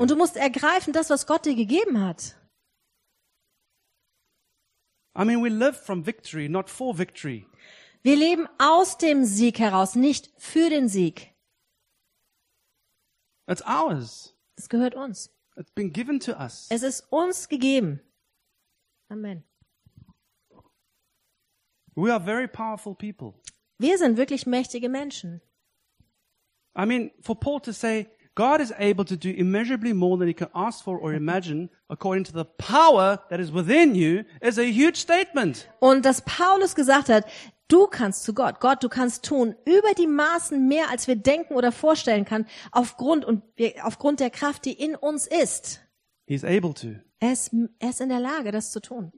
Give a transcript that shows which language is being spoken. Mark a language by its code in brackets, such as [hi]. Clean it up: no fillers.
[de] Und du musst ergreifen das, was Gott dir gegeben hat. [en] I mean, we live from victory, not for victory. [de] Wir leben aus dem Sieg heraus, nicht für den Sieg. [en] It's ours. [de] Es gehört uns. [en] It's been given to us. [de] Es ist uns gegeben. Amen. [en] We are very powerful people. [de] Wir sind wirklich mächtige Menschen. [en] I mean, for Paul to say, God is able to do immeasurably more than he can ask for or imagine, according to the power that is within you, is a huge statement. [de] Und dass Paulus gesagt hat, du kannst zu Gott, Gott, du kannst tun über die Maßen mehr, als wir denken oder vorstellen können, aufgrund der Kraft, die in uns ist. [en] He's able to. [de] Er ist in der Lage, das zu tun.